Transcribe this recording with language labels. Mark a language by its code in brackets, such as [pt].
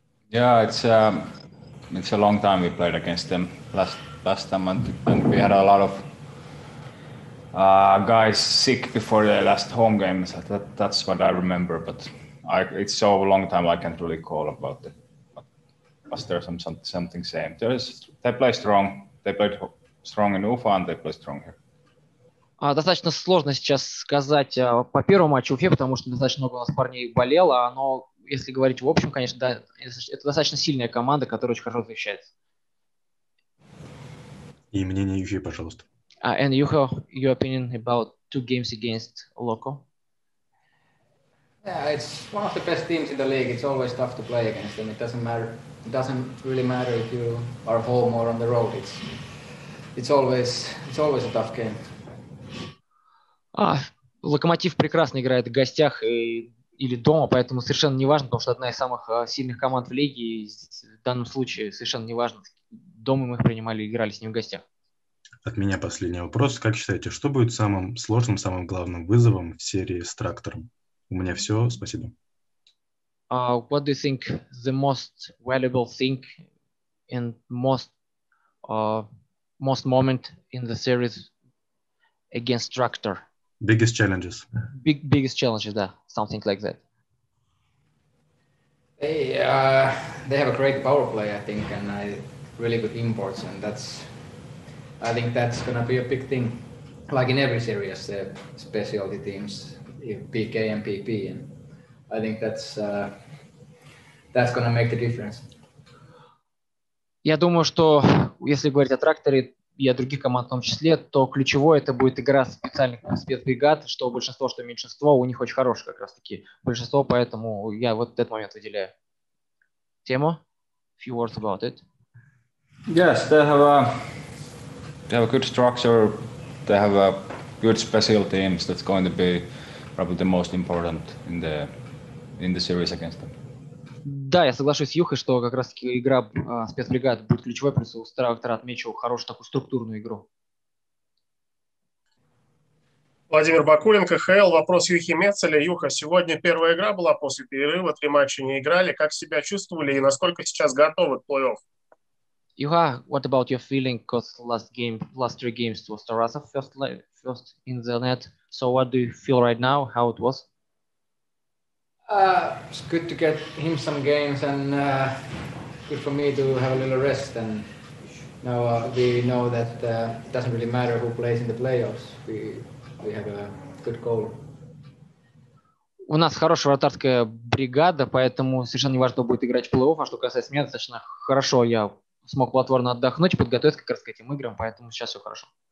[en] Yeah, it's a long time we played against them last time, and we had a lot of guys sick before the last home game. So that's what I remember, but it's so long time I can't really call about it. But there's something same. They play strong. They played strong in Ufa, and they play strong here. [ru] Достаточно сложно сейчас сказать по первому матчу Уфе, потому что достаточно много у нас парней болело, но если говорить в общем, конечно, да, это достаточно сильная команда, которая очень хорошо защищается. И мнение Уфе, пожалуйста. [en] And you have your opinion about two games against Loco? Yeah, it's one of the best teams in the league. It's always tough to play against them. It doesn't matter. It doesn't really matter if you are home or on the road. It's always a tough game. [ru] Локомотив прекрасно играет в гостях или дома, поэтому совершенно не важно, потому что одна из самых сильных команд в лиге, и в данном случае совершенно не важно, дома мы их принимали и играли с ним в гостях. От меня последний вопрос. Как считаете, что будет самым сложным, самым главным вызовом в серии с трактором? У меня все, спасибо. [en] What do you think the most valuable thing and most moment in the series against Tractor? Biggest challenges. Biggest challenges, yeah. Something like that. They have a great power play, I think, and really good imports, and I think that's gonna be a big thing. Like in every series, the specialty teams, PK and PP, and I think that's gonna make the difference. [ru] Я думаю, что если говорить о тракторе и о других командах в том числе, то ключевое это будет игра специальных спецбригад, что большинство, что меньшинство, у них очень хорошее как раз таки большинство, поэтому я вот этот момент выделяю. [en] Тема? A few words about it. Yes, they have a good structure, they have a good special teams that's going to be probably the most important in the series against them. [ru] Да, я соглашусь с Юхой, что как раз-таки игра спецбригад будет ключевой, плюс у Трактора отмечу хорошую такую структурную игру. Владимир Бакулин, КХЛ. Вопрос Юхи Мецеля. Юха, сегодня первая игра была после перерыва, три матча не играли. Как себя чувствовали и насколько сейчас готовы к плей-офф? [en] Юха, what about your feeling? Because last three games was Tarasov first in the net. So what do you feel right now? How it was? It's good to get him some games, and good for me to have a little rest. And now we know that it doesn't really matter who plays in the playoffs. We have a good goal. [ru] У нас хорошая вратарская бригада, поэтому совершенно не важно, кто будет играть в плей-офф. А что касается меня, достаточно хорошо я смог плотворно отдохнуть, подготовиться как раз к этим играм, поэтому сейчас все хорошо.